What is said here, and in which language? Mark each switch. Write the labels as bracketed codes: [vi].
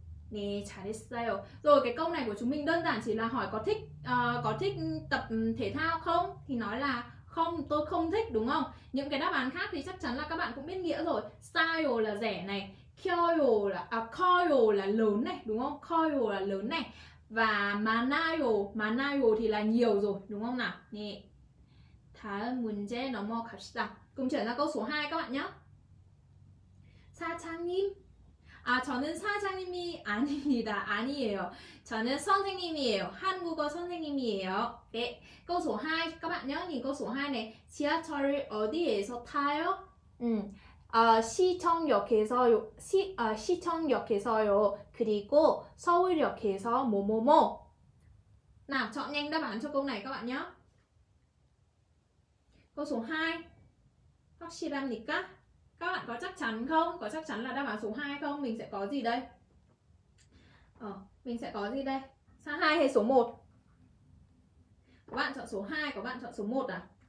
[vi] Nè, chả đi sao. Rồi cái câu này của chúng mình đơn giản chỉ là hỏi có thích tập thể thao không? Thì nói là không, tôi không thích, đúng không? Những cái đáp án khác thì chắc chắn là các bạn cũng biết nghĩa rồi. Style là rẻ này, coil là lớn này, đúng không? Coil là lớn này. Và manayo thì là nhiều rồi, đúng không nào? [ko] Nè, 다음 문제 넘어갑시다. [vi] Cùng chuyển ra câu số 2 các bạn nhé. [ko] 사장님. À, 저는 사장님이 아닙니다. 아니에요. 저는 선생님이에요. 한국어 선생님이에요. 네. [vi] Câu số 2 các bạn nhớ, nhìn câu số 2 này. [ko] 지하철을 어디에서 타요? 시청역에서요. 시청역에서요. 그리고 서울역에서 뭐뭐뭐. [vi] Nào, chọn nhanh đáp án cho câu này các bạn nhớ. Câu số 2. [ko] 확실합니까? [vi] Các bạn có chắc chắn không? Có chắc chắn là đáp án số 2 không? Mình sẽ có gì đây? Mình sẽ có gì đây? Số 2 hay số 1? Các bạn chọn số 2, các bạn chọn số 1 à?